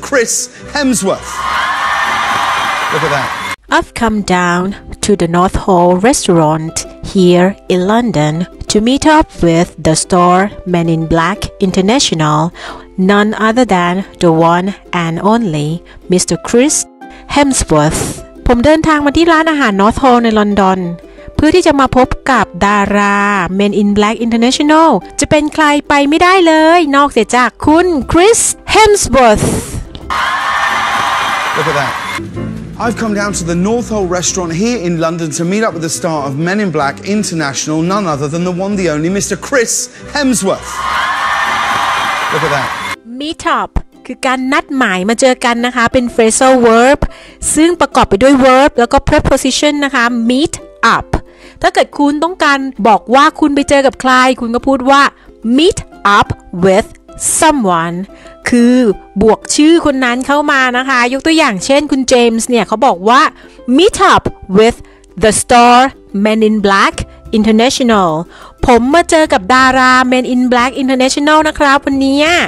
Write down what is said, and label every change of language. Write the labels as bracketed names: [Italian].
[English] Chris Hemsworth. Look at that. I've come down to the North Hole restaurant here in London. To meet up with the star Men in Black International, none other than the one and only Mr. Chris Hemsworth. [Thai] ผมเดินทางมาที่ร้านอาหาร North Hole ในลอนดอนเพื่อที่จะมาพบกับดารา Men in Black International. จะเป็นใครไปไม่ได้เลยนอกจากคุณ Chris Hemsworth. [English] Look at that. I've come down to the North Hole restaurant here in London to meet up with the star of Men in Black International, none other than the one, the only, Mr. Chris Hemsworth. Look at that. [Thai] Meet up คือการนัดหมายมาเจอกันนะคะเป็น phrasal verb ซึ่งประกอบไปด้วย verb แล้วก็ preposition นะคะ meet up ถ้าเกิดคุณต้องการบอกว่าคุณไปเจอกับใครคุณก็พูดว่า meet up withsomeone คือบวกชื่อคนนั้นเข้ามานะคะยกตัวอย่างเช่นคุณเจมส์เนี่ยเขาบอกว่า meet up with the star Men in Black International ผมมาเจอกับดารา Men in Black International นะครับวันนี้